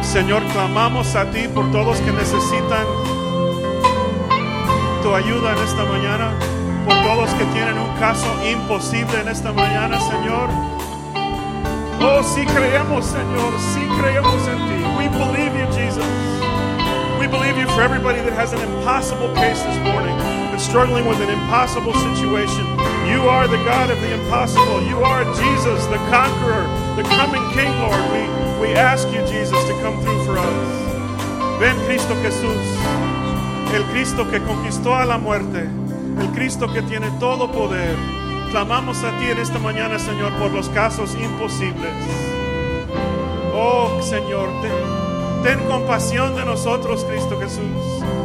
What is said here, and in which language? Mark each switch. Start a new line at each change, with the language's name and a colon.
Spanish: Señor, clamamos a ti por todos que necesitan tu ayuda en esta mañana, por todos que tienen un caso imposible en esta mañana, Señor. Oh, sí creemos, Señor, sí creemos en ti.
English: We believe you, Jesus. We believe you for everybody that has an impossible case this morning, that's struggling with an impossible situation. You are the God of the impossible. You are Jesus, the conqueror, the coming King, Lord. We ask you, Jesus, to come through for us.
Spanish: Ven, Cristo Jesús. El Cristo que conquistó a la muerte, el Cristo que tiene todo poder. Clamamos a ti en esta mañana, Señor, por los casos imposibles. Oh, Señor, ten compasión de nosotros, Cristo Jesús.